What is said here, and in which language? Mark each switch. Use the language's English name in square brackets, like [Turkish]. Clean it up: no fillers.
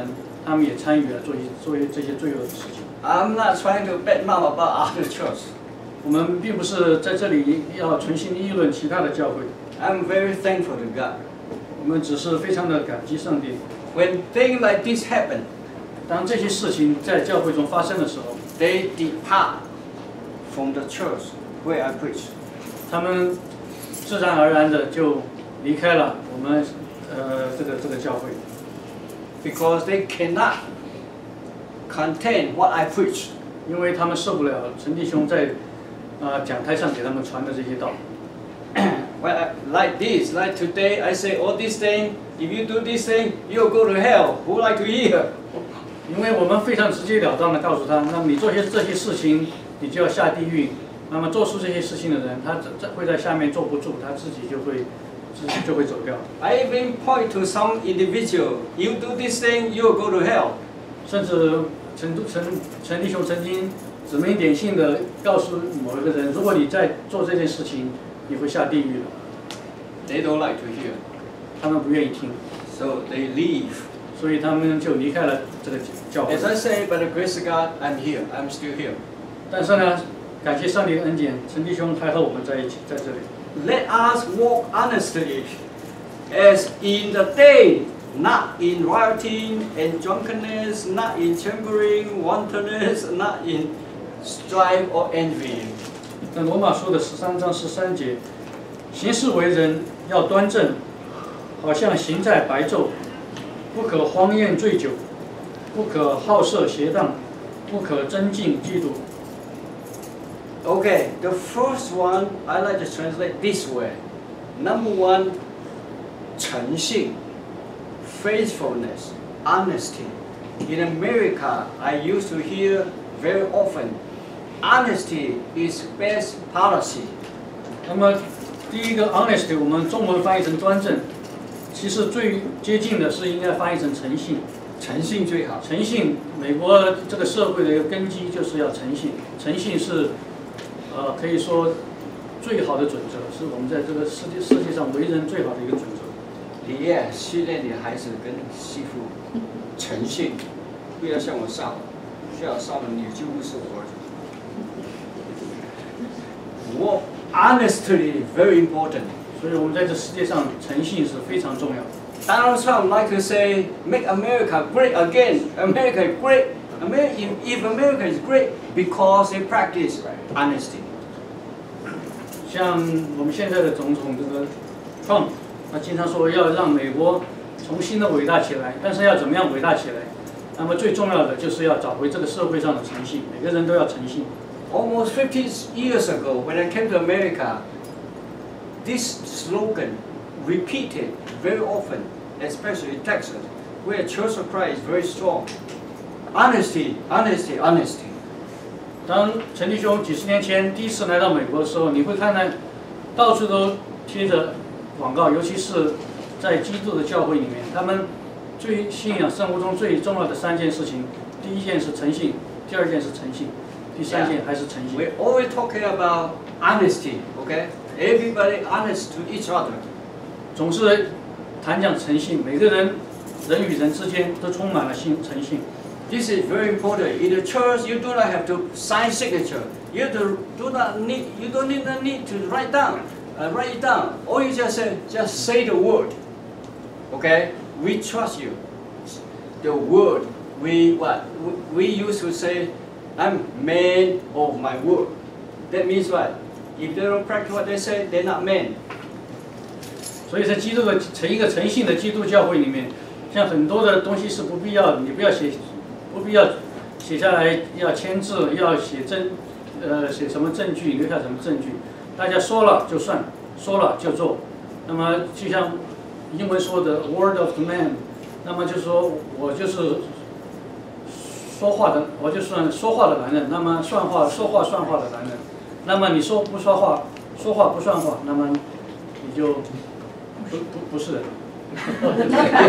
[Chinese] 所以在陈弟兄他传道的地方，这些事情不允许的。但是实际上，很多的教会，甚至是基督的教会，不仅是这些事情存在，甚至有一些传道人，他们也参与了做这些罪恶的事情。 [English] I'm not trying to bad mouth about other church. [Chinese] 我们并不是在这里要存心议论其他的教会。 [English] I'm very thankful to God. [Chinese] 我们只是非常的感激上帝。 [English] When things like this happen, [Chinese] 当这些事情在教会中发生的时候， [English] they depart from the church where I preach. [Chinese] 他们自然而然的就离开了我们这个教会。 [English] Because they cannot contain what I preach. [Chinese] 因为他们受不了陈弟兄在 讲台上给他们传的这些道。 [English] Well, like this, like today, I say all these things, if you do this thing, you'll go to hell. Who like to hear? [Chinese] 因为我们非常直截了当地告诉他，那么你做些这些事情，你就要下地狱。那么做出这些事情的人，他会在下面坐不住，他自己就会走掉。 [English] I even point to some individual, you do this thing, you'll go to hell. [Chinese] 甚至陈弟兄曾经指名点姓的告诉某一个人，如果你再做这件事情，你会下地狱的。 [English] They don't like to hear. [Chinese] 他们不愿意听。 [English] So they leave. [Chinese] 所以他们就离开了这个教会。 [English] As I say, by the grace of God, I'm here. I'm still here. [Chinese] 但是呢，感谢上帝的恩典，陈弟兄还和我们在一起，在这里。 [English] Let us walk honestly, as in the day. Not in rioting and drunkenness, not in chambering, wantonness, not in strife or envy. [Chinese] 那罗马书的十三章十三节，行事为人要端正，好像行在白昼，不可荒宴醉酒，不可好色邪荡，不可增进嫉妒。 [English] Okay, the first one I like to translate this way. Number one, 诚信。Faithfulness, honesty. In America, I used to hear very often, honesty is best policy. [Chinese] 那么，第一个 honesty， 我们中文翻译成端正，其实最接近的是应该翻译成诚信。诚信最好。诚信，美国这个社会的根基就是要诚信。诚信是，可以说最好的准则，是我们在这个世界上为人最好的一个准则。你也训练你孩子跟媳妇诚信，不要向我撒谎，不要撒谎，你就不是我儿子。 Honestly very important. 所以我们在这世界上诚信是非常重要的。 [English] Donald Trump like to say, make America great again. America is great. If America is great, because they practice honesty. [Chinese] 像我们现在的总统这个 Trump。他经常说要让美国重新的伟大起来，但是要怎么样伟大起来？那么最重要的就是要找回这个社会上的诚信，每个人都要诚信。 [English] Almost 50 years ago, when I came to America, this slogan repeated very often, especially in Texas, where Church of Christ is very strong. Honesty, honesty, honesty. [Chinese] 当陈弟兄几十年前第一次来到美国的时候，你会看到到处都贴着。广告，尤其是在基督的教会里面，他们最信仰生活中最重要的三件事情，第一件是诚信，第二件是诚信，第三件还是诚信。 [English] Yeah. We always talking about honesty, okay? Everybody honest to each other. [Chinese] 总是谈讲诚信，每个人人与人之间都充满了诚信。 [English] This is very important. In the church, you do not have to sign signature. You don't need to write down. Write it down. All you just say the word. Okay? We trust you. The word. We used to say, I'm man of my word. That means what? If they don't practice what they say, they're not man. [Chinese] 所以在基督的一个诚信的基督教会里面，像很多的东西是不必要的，你不要写，不必要写下来，要签字，要写证，写什么证据，留下什么证据，大家说了就算。说了就做，那么就像英文说的 [English] word of the man， [Chinese] 那么就是说我就是说话的，我就算说话的男人，那么算话说话算话的男人，那么你说不说话，说话不算话，那么你就不是人。